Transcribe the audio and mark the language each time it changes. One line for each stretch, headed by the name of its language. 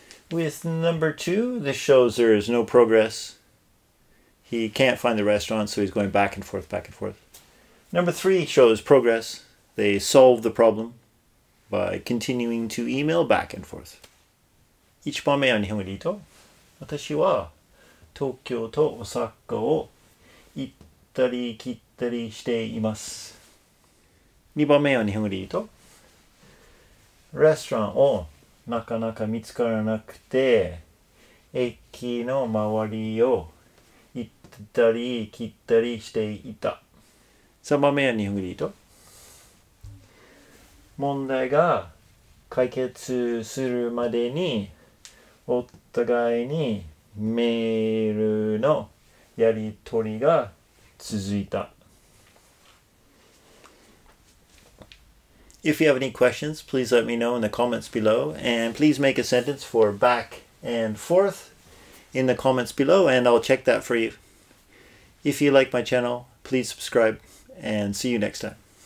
English: With number two, this shows there is no progress. He can't find the restaurant, so he's going back and forth, back and forth. Number three shows progress. They solve the problem by continuing to email back and forth.
Japanese: 一番目は日本語で言うと、私は東京と大阪を行ったり来たりしています。二番目は日本語で言うと、レストランをなかなか見つからなくて、駅の周りを行ったり来たりしていた。 3番目は日本語で言うと、問題が解決するまでにお互いにメールのやり取りが続いた。
English: If you have any questions, please let me know in the comments below, and please make a sentence for back and forth in the comments below, and I'll check that for you. If you like my channel, please subscribe, and see you next time.